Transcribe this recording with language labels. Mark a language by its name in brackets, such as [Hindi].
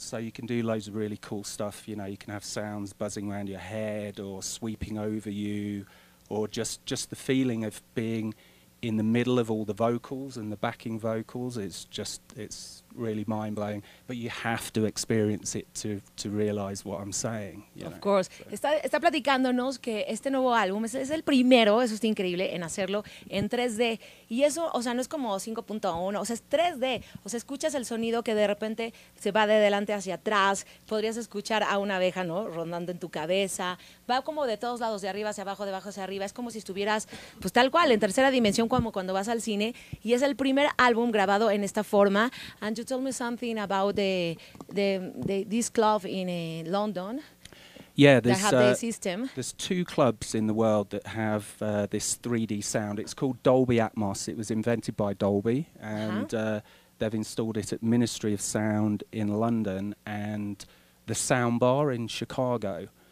[English] So you can do loads of really cool stuff. You know, you can have sounds buzzing around your head or sweeping over you, or just the feeling of being in the middle of all the vocals and the backing vocals. It's really mind-blowing, but you have to experience it to realize what I'm saying. Of course. So. [Spanish] Está platicándonos que este nuevo álbum es el primero, eso es increíble, en hacerlo en 3D. Y eso, o sea, no es como 5.1, o sea, es 3D. O sea, escuchas el sonido que de repente se va de delante hacia atrás. Podrías escuchar a una abeja, ¿no?, rondando en tu cabeza. Va como de todos lados, de arriba hacia abajo, de abajo hacia arriba. Es como si estuvieras, pues tal cual, en tercera dimensión, como cuando vas al cine. Y es el primer álbum grabado en esta forma. [English] And you told me something about this club in London. Yeah, there's two clubs in the world that have this 3D sound. It's called Dolby Atmos. It was invented by Dolby, and they've installed it at Ministry of Sound in London and the Soundbar in Chicago.